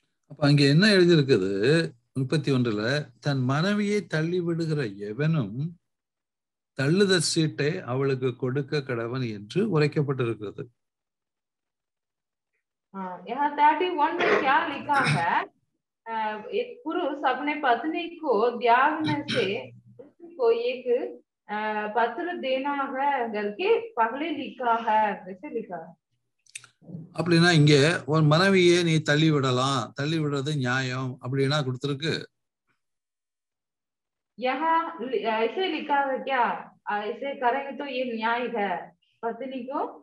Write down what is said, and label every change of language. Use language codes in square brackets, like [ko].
[ta] அப்ப அங்க என்ன எழுதியிருக்குது 31ல தன் மனைவியை தள்ளி விடுகிற எவனும் தள்ளுதல் சீட்டை அவளுக்கு கொடுக்க கடவன் என்று உரைக்கப்பட்டிருக்கிறது. [hi] यहाँ 31 में क्या लिखा है, एक पुरुष अपने पत्नी को त्याग में से को एक पत्र देना है करके पहले लिखा है, वैसे लिखा है [ta] அப்படினா இங்க ஒரு மனைவியே நீ தள்ளி விடலாம், தள்ளி விடுறது நியாயம் அப்படினா கொடுத்திருக்கு. [hi] यहाँ ऐसे लिखा है क्या, ऐसे करेंगे तो ये न्याय है, पत्नी को